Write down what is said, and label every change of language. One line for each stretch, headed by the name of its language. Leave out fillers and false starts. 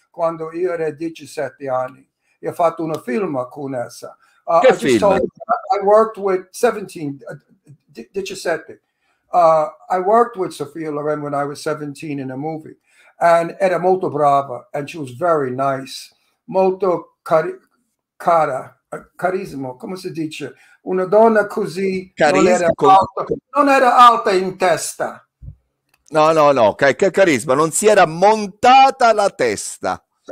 Italian: Quando io ero 17 anni, ho fatto una film con essa. Che film?
English: I worked with 17, 17. I worked with Sophia Loren when I was 17 in a movie. And
Italian: era molto brava,
English: and she was very nice.
Italian: Molto cara, carismo, come si dice? Una donna così non era alta in testa. No, che carisma, non si era montata la testa.